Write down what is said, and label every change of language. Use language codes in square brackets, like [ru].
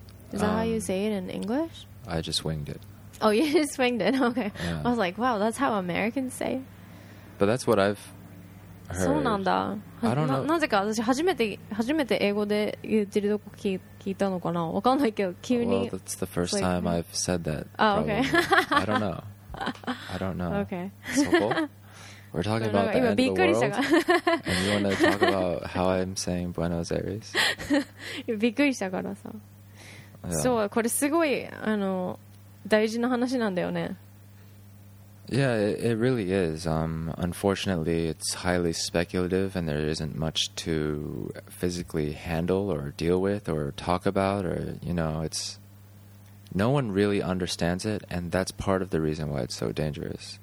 [en] Is that how you say it in English? I just winged it. Oh, you just winged it? Okay. Yeah. I was like, wow, that's how Americans say it. But that's what I've heard. [ja] そうなんだ。 [en] I don't know. [ja] なぜか私初めて英語で言ってるとこ聞いたのかな。わかんないけど、急に。 [en] Well, that's the first time I've said that. Oh, okay. I don't know. Okay. So, we're talking about the end of the world. And you want to talk about how I'm saying Buenos Aires? [ja] びっくりしたからさ。 [en] Yeah. [ja] そう、これすごいあの大事な話なんだよね。 [en] Yeah, it really is. Unfortunately, it's highly speculative and there isn't much to physically handle or deal with or talk about or, you know, it's... No one really understands it and that's part of the reason why it's so dangerous.